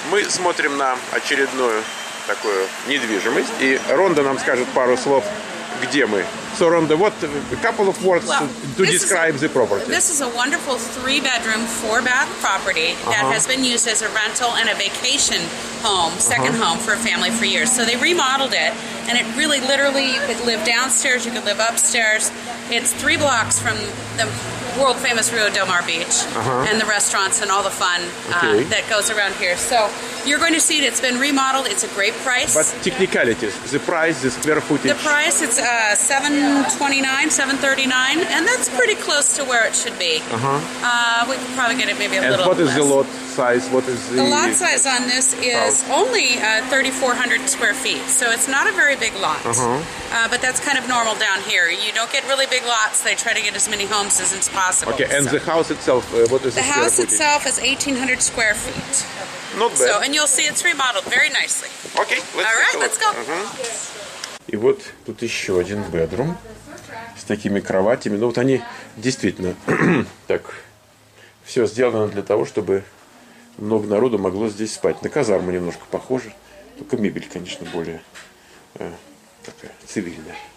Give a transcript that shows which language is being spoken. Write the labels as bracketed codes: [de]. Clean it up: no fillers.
[ru] смотрим на очередную такую недвижимость, и Ронда нам скажет пару слов, где мы. [en] So, Ronda, what a couple of words to describe the property? This is a wonderful 3-bedroom, 4-bath property that has been used as a rental and a vacation home, second home for a family for years. So they remodeled it, and it really, literally, you could live downstairs, you could live upstairs. It's 3 blocks from the world famous Rio Del Mar Beach and the restaurants and all the fun that goes around here. So you're going to see it. It's been remodeled. It's a great price. But technicalities, the price, the square footage. The price, it's $729, and that's pretty close to where it should be. We could probably get it maybe a and little less. And what is the lot size? What is the lot size on this is only 3,400 square feet. So it's not a very big lot. But that's kind of normal down here. You don't get really big lots. They try to get as many homes as it's possible. Okay, and the house itself, what is the house itself is 1,800 square feet. Not bad. So, and you'll see it's remodeled very nicely. Okay, let's all right, let's go. [ru] И вот тут еще один bedroom с такими кроватями. Ну вот они действительно так все сделано для того, чтобы много народу могло здесь спать. На казарму немножко похоже, только мебель, конечно, более такая цивильная.